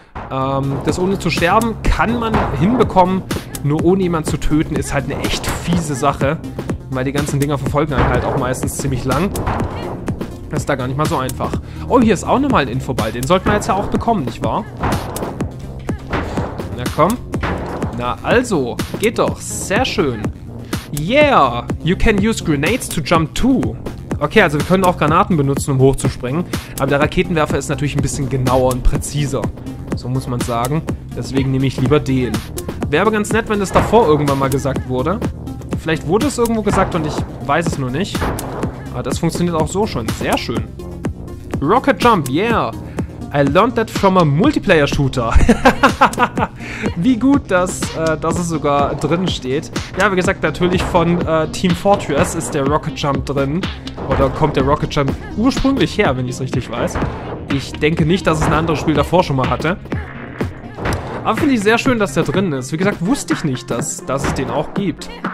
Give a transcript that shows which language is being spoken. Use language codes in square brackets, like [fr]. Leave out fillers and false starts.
[de] Das ohne zu sterben kann man hinbekommen, nur ohne jemanden zu töten ist halt eine echt fiese Sache, weil die ganzen Dinger verfolgen einen halt auch meistens ziemlich lang. Das ist da gar nicht mal so einfach. Oh, hier ist auch nochmal ein Infoball, den sollten wir jetzt ja auch bekommen, nicht wahr? Na komm. Na also, geht doch, sehr schön. [en] Yeah, you can use grenades to jump too. [de] Okay, also wir können auch Granaten benutzen, um hochzuspringen, aber der Raketenwerfer ist natürlich ein bisschen genauer und präziser. So muss man sagen. Deswegen nehme ich lieber den. Wäre aber ganz nett, wenn das davor irgendwann mal gesagt wurde. Vielleicht wurde es irgendwo gesagt und ich weiß es nur nicht. Aber das funktioniert auch so schon. Sehr schön. Rocket Jump, yeah. [en] I learned that from a Multiplayer-Shooter. [de] Wie gut, dass es sogar drin steht. Ja, wie gesagt, natürlich von Team Fortress ist der Rocket Jump drin. Oder kommt der Rocket Jump ursprünglich her, wenn ich es richtig weiß. Ich denke nicht, dass es ein anderes Spiel davor schon mal hatte. Aber finde ich sehr schön, dass der drin ist. Wie gesagt, wusste ich nicht, dass es den auch gibt.